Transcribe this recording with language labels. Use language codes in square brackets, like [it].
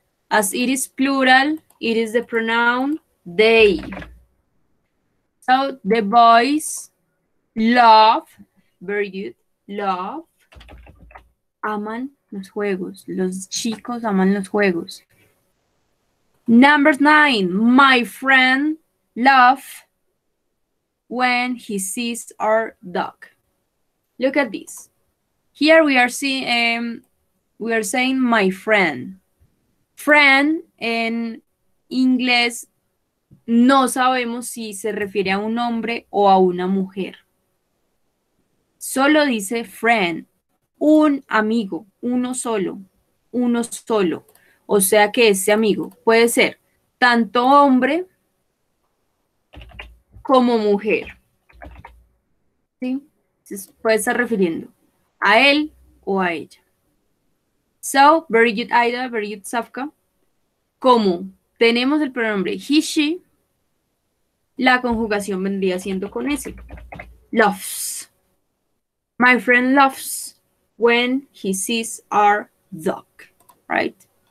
[en] As it is plural, it is the pronoun they. So, the boys love, very good, love, aman. [es] Los juegos, los chicos aman los juegos. [en] Number nine, my friend love when he sees our dog. Look at this. Here we are seeing, we are saying my friend. Friend in English, [es] no sabemos si se refiere a un hombre o a una mujer. Solo dice friend, un amigo, uno solo, o sea que ese amigo puede ser tanto hombre como mujer. ¿Sí? Se puede estar refiriendo a él o a ella. [en] So, very good, Aida, very good, Safka. [es] Como tenemos el pronombre he, she, la conjugación vendría siendo con ese. [en] Loves. My friend loves when he sees our dog, right?